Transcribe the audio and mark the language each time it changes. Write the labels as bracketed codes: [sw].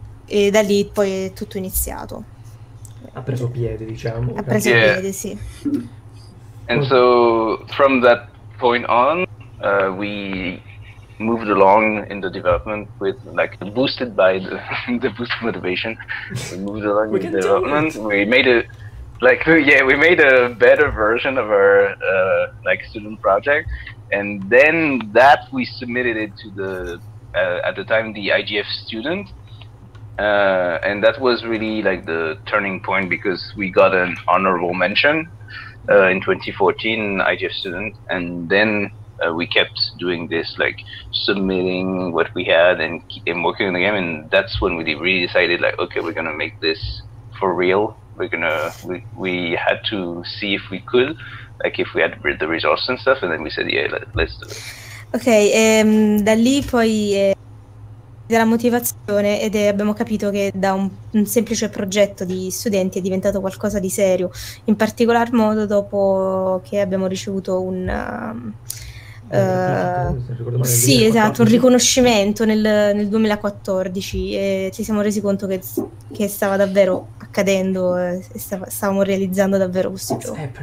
[it] E da lì poi è tutto iniziato. Ha preso piede, diciamo. Ha preso piede, sì. [en] And so from that point on, we moved along in the development with, like, boosted by the boost motivation. We moved along with development. We made a better version of our student project, and then that we submitted it to the at the time the IGF student, and that was really like the turning point, because we got an honorable mention in 2014 IGF student, and then. We kept doing this, like submitting what we had and working on the game, and that's when we really decided, like, okay, we're gonna make this for real. We had to see if we could, like, if we had the resources and stuff, and then we said, yeah, let's do it. [it] Okay, da lì poi della motivazione, ed abbiamo capito che da un semplice progetto di studenti è diventato qualcosa di serio. In particolar modo dopo che abbiamo ricevuto un un riconoscimento nel 2014, e ci siamo resi conto che stava davvero accadendo, e stavamo realizzando davvero questo gioco.